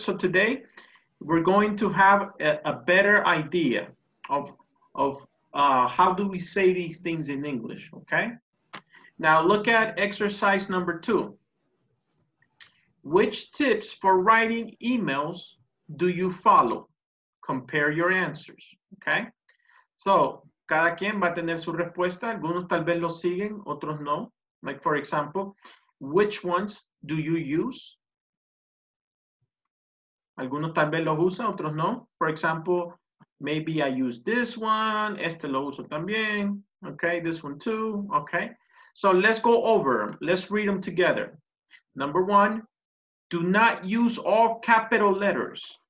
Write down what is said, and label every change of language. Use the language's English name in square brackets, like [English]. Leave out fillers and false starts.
[English] So, today, we're going to have a better idea of how do we say these things in English, okay? Now, look at exercise number 2. Which tips for writing emails do you follow? Compare your answers, okay? [Spanish] So, cada quien va a tener su respuesta. Algunos tal vez lo siguen, otros no. [English] Like, for example, which ones do you use? [Spanish] Algunos tal vez los usan, otros no. [English] For example, maybe I use this one. [Spanish] Este lo uso también. [English] Okay, this one too. Okay. So let's go over. Let's read them together. Number one, do not use all capital letters.